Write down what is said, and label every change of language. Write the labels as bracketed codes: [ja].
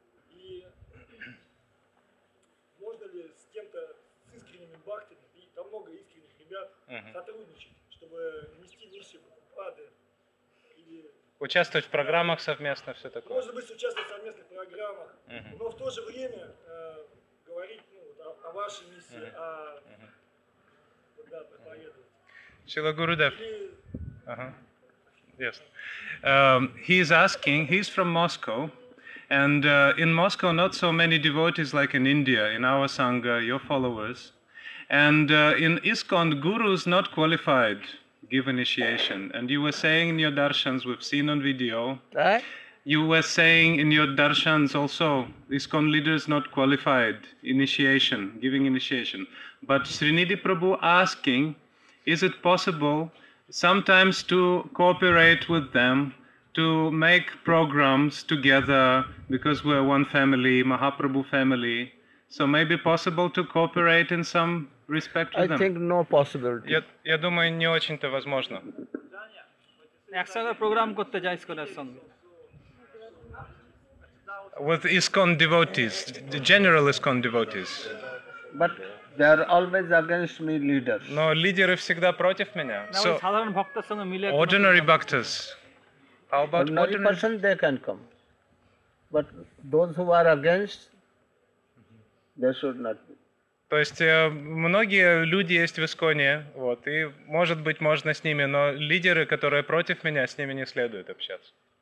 [ru] И можно ли с кем-то, с искренними бхактами, и там много искренних ребят, сотрудничать, чтобы нести миссию Прабхупады? Участвовать в программах совместно, все такое. Может быть, участвовать в совместных программах, но в то же время говорить о вашей миссии, о проповедовать. Шрила Гурудев. [en] Yes. He is asking, he's from Moscow, and in Moscow not so many devotees like in India, in our Sangha, your followers. And in ISKCON, gurus not qualified give initiation. And you were saying in your darshans, we've seen on video, you were saying in your darshans also, ISKCON leaders not qualified initiation, giving initiation. But Srinidhi Prabhu asking, is it possible sometimes to cooperate with them, to make programs together, because we're one family, Mahaprabhu family, so maybe possible to cooperate in some respect with them? I think no possibility. [ru] Я думаю, не очень-то возможно. Экстренная программа готта джайско лессон. [en] With ISKCON devotees, the general ISKCON devotees. But they are always against me, leaders. [ru] Но лидеры всегда против меня. [en] So, ordinary bhaktas. How about ordinary bhaktas? Ordinary person, they can come. But those who are against, they should not be. [ru] То есть многие люди есть в Исконе, вот, и может быть можно с ними, но лидеры, которые против меня, с ними не следует общаться.